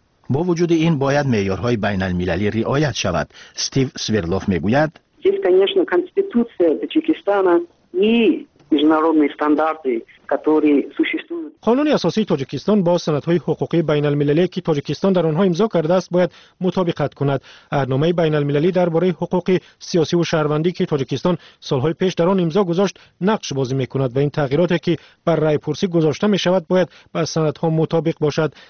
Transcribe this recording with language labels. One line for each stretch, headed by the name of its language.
Persian: با وجود این باید معیارهای بین المللی رعایت شود. استیو سویردلوف میگوید کنستیتوسیا تاجیکستان
Russian: международные стандарты, которые существуют.
Tajik: Қонуни асосии Тоҷикистон бо санадҳои ҳуқуқии байналмилалие, ки Тоҷикистон дар онҳо имзо кардааст, бояд мутобиқат кунад. Аҳдномаи байналмилалӣ дар бораи ҳуқуқи сиёсиву шаҳрвандӣ, ки Тоҷикистон солҳои пеш дар он имзо гузошт, нақш бозӣ мекунад ва ин тағйироте, ки бар райпурсӣ гузошта мешавад, бояд ба санадҳо мутобиқ бошад.